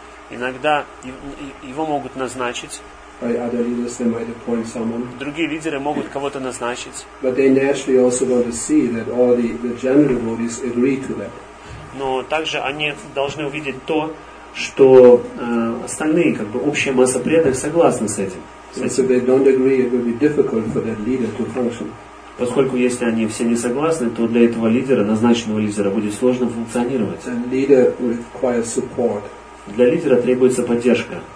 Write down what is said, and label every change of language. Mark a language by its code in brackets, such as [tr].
[ru] Иногда его могут назначить. [en] By other leaders, they might appoint someone. [ru] Другие лидеры могут кого-то назначить. [en] But they naturally also want to see that all the general devotees agree to that. [ru] Но также они должны увидеть то, что остальные, как бы общая масса преданных, согласны с этим. [en] So if they don't agree, it will be difficult for that leader to function. [ru] Поскольку если они все не согласны, то для этого лидера, назначенного лидера, будет сложно функционировать. [en] And leader requires support. [ru] Для лидера требуется поддержка.